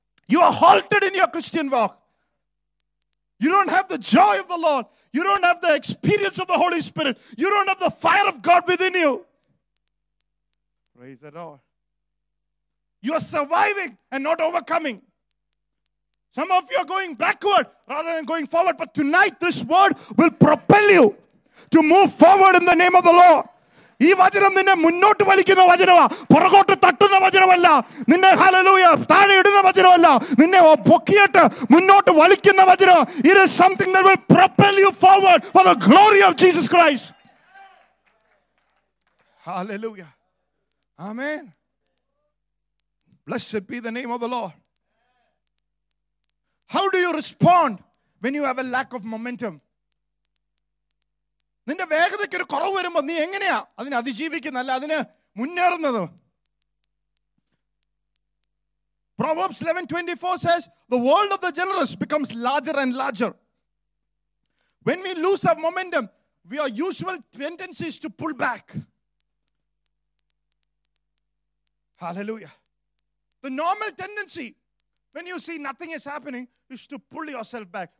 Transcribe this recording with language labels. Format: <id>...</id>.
<en>You are halted in your Christian walk. You don't have the joy of the Lord. You don't have the experience of the Holy Spirit. You don't have the fire of God within you. Praise the Lord. You are surviving and not overcoming. Some of you are going backward rather than going forward. But tonight, this word will propel you to move forward in the name of the Lord.</en> <ml>ഈ വചനം നിന്നെ മുന്നോട്ട് വലിക്കുന്ന വചനമാ. പുറകോട്ട് തട്ടുന്ന വചനമല്ല. നിന്നെ hallelujah താഴെ ഇടുന്ന വചനമല്ല. നിന്നെ പൊക്കിയിട്ട് മുന്നോട്ട് വലിക്കുന്ന വചനം.</ml> <en>It is something that will propel you forward for the glory of Jesus Christ. Hallelujah. Amen. Blessed be the name of the Lord. How do you respond when you have a lack of momentum?</en> <ml>നിന്റെ വേഗതയ്ക്ക് ഒരു കുറവ് വരുമ്പോ നീ എങ്ങനെയാ അതിനെ അതിജീവിക്കുന്ന അല്ല അതിന് മുന്നേറുന്നത്?</ml> <en>Proverbs 11:24 says, the world of the generous becomes larger and larger. When we lose our momentum, we are usual tendencies to pull back. Hallelujah. The normal tendency, when you see nothing is happening, is to pull yourself back.</en>